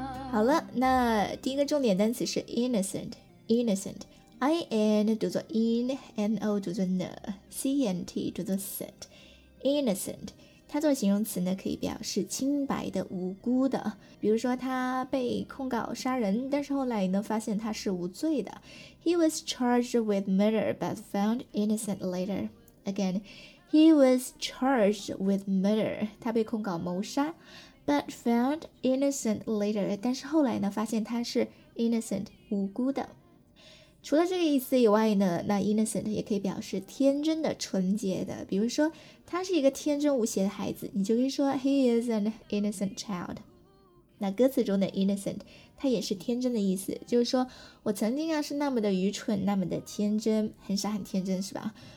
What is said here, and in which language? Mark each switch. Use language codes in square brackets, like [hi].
[zh] 好了，那第一个重点单词是 innocent， innocent。 I-N 读作 in， N-O 读作 n， C-N-T 读作 cent， innocent， 它做形容词呢可以表示清白的、无辜的。比如说他被控告杀人，但是后来呢发现他是无罪的。 [en] He was charged with murder but found innocent later。 Again， He was charged with murder， [zh] 他被控告谋杀， [en] but found innocent later， [zh] 但是后来呢发现他是 innocent， 无辜的。除了这个意思以外呢，那 innocent 也可以表示天真的、纯洁的。比如说他是一个天真无邪的孩子，你就可以说 [en] he is an innocent child。 [zh] 那歌词中的 innocent 它也是天真的意思，就是说我曾经啊是那么的愚蠢，那么的天真，很傻很天真是吧？